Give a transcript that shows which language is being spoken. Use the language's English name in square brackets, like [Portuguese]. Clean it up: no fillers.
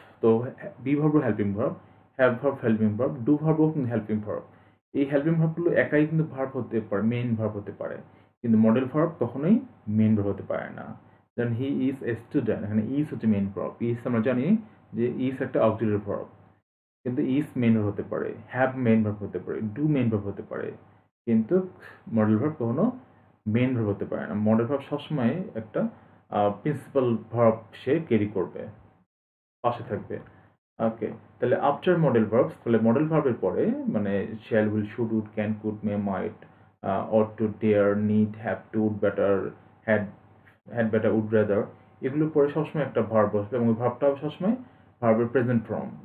[English] So be verb helping verb, have verb helping verb, do verb helping verb. [Bangla] এই helping verb গুলো একাই কিন্তু verb হতে পারে, main verb হতে পারে, কিন্তু modal verb তখনই main verb হতে পারে না. [English] Then he is a student, [Bangla] এখানে is হচ্ছে main verb. Is আমরা জানি যে is একটা auxiliary verb, কিন্তু is main verb হতে পারে, have main verb হতে পারে, do main verb হতে পারে, কিন্তু modal verb কখনো main verb হতে পারে না. Modal verb সবসময় একটা principal verb সে carry করবে, পাশে থাকবে. ওকে, তাহলে আফটার মডেল ভার্বস, তাহলে মডেল ভার্বের পরে মানে shall, will, should, would, can, could, May, mite, ought to, dare, need, have to, would better, had had better, would rather, এগুলোর পরে সবসময় একটা ভার্ব আসবে এবং ভার্বটা হবে সবসময় ভার্বের প্রেজেন্ট ফর্ম.